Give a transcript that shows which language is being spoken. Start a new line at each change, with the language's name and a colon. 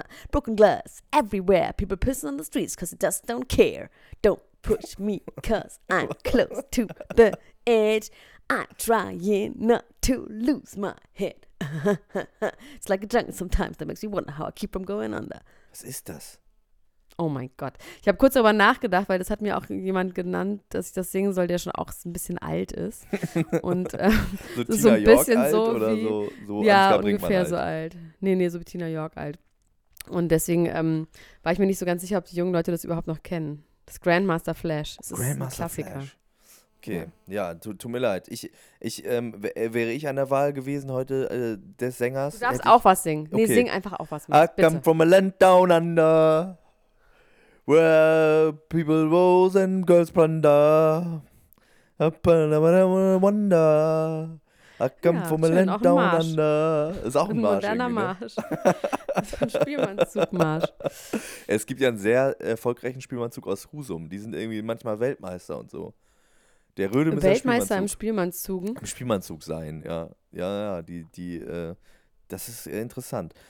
English: Broken glass everywhere, people pissing on the streets cause they just don't care. Don't push me cause I'm close to the edge. I'm trying not to lose my head. It's like a jungle sometimes that makes me wonder how I keep from going under.
German: Was ist das? Oh mein Gott. Ich habe kurz darüber nachgedacht, weil das hat mir auch jemand genannt, dass ich das singen soll, der schon auch ein bisschen alt ist. Und so Tina so ein York bisschen alt so oder wie, so ja, ungefähr alt. So alt. Nee, so wie Tina York alt. Und deswegen war ich mir nicht so ganz sicher, ob die jungen Leute das überhaupt noch kennen. Das Grandmaster Flash. Das Grandmaster ist ein Klassiker. Flash. Okay, ja, tut mir leid. Wäre ich an der Wahl gewesen heute des Sängers? Du darfst auch was singen. Nee, okay. Sing einfach auch was. Mit, bitte.
English: I come from a land down under. Where people rose and girls plunder. Up and I wonder. I come from a land down under.
German: Ist auch ein Marsch. Ein moderner Marsch. Ist ein Spielmannszug-Marsch. Es gibt ja einen sehr erfolgreichen Spielmannszug aus Husum. Die sind irgendwie manchmal Weltmeister und so. Der Röde ist Weltmeister im Spielmannszug? Im Spielmannszug sein, ja. Ja, das ist interessant.